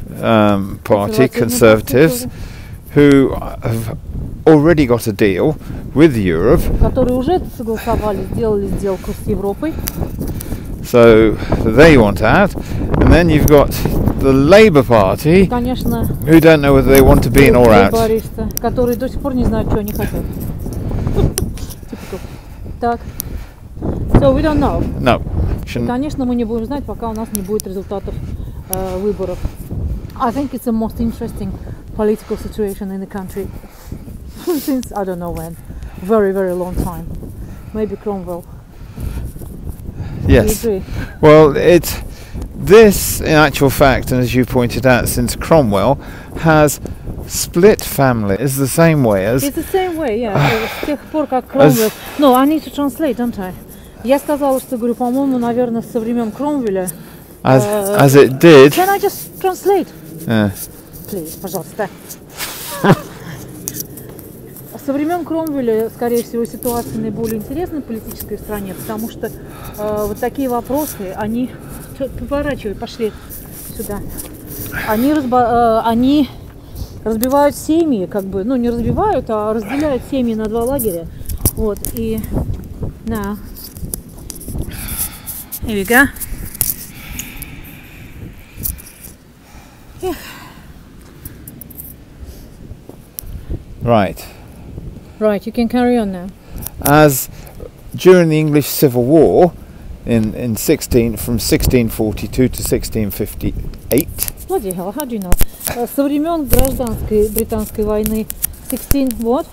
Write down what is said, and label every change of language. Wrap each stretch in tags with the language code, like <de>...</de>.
<en>party, Conservatives, who have already got a deal with Europe.</en> <ru>Которые уже согласовали, сделали сделку с Европой.</ru> <en>So they want out. And then you've got the Labour Party,</en> <ru>конечно,</ru> <en>who don't know whether they want to be in or out.</en> <ru>Которые до сих пор не знают, что они хотят.</ru> <en>Так. So we don't know. No.</en> <ru>Конечно, мы не будем знать, пока у нас не будет результатов выборов.</ru> <en>I think it's the most interesting political situation in the country since I don't know when. Very, very long time. Maybe Cromwell. Yes. Well, it's this, in actual fact, and as you pointed out, since Cromwell has split families the same way as... It's the same way, yeah.</en> <ru>С тех пор, как</ru> <en>Cromwell... No, I need to translate, don't I?</en> <ru>Я сказала, что, говорю, по-моему, наверное, со времен Кромвеля...</ru> <en>As it did... Can I just translate? Yeah. Please, пожалуйста.</en> <ru>Со времен Кромвеля, скорее всего, ситуация наиболее интересная в политической стране, потому что вот такие вопросы, они... Поворачивай, пошли сюда. Они разбивают семьи, как бы, ну не разбивают, а разделяют семьи на два лагеря. Вот, и... Да.</ru> <en>Here we go. Right. Right, you can carry on now. As during the English Civil War in 16 from 1642 to 1658. Bloody hell, how do you know?</en> <ru>Со времен гражданской британской войны 16 what?</ru>